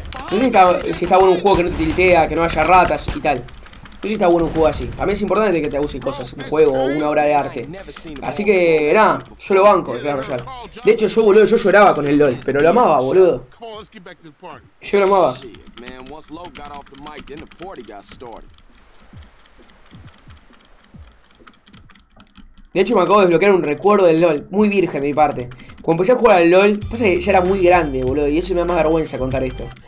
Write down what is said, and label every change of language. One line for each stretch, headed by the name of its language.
Spanish: No sé si está bueno un juego que no te tiltea, que no haya ratas y tal. No sé si está bueno un juego así. A mí es importante que te cause cosas, un juego o una obra de arte. Así que, nada, yo lo banco, el Clash Royale. De hecho, yo, boludo, yo lloraba con el LOL, pero lo amaba, boludo. Yo lo amaba.
English: Man, once Low got off the mic, then the party got started.
Spanish: De hecho, me acabo de desbloquear un recuerdo del LOL, muy virgen de mi parte. Cuando empecé a jugar al LOL, pasa que ya era muy grande, boludo, y eso me da más vergüenza contar esto.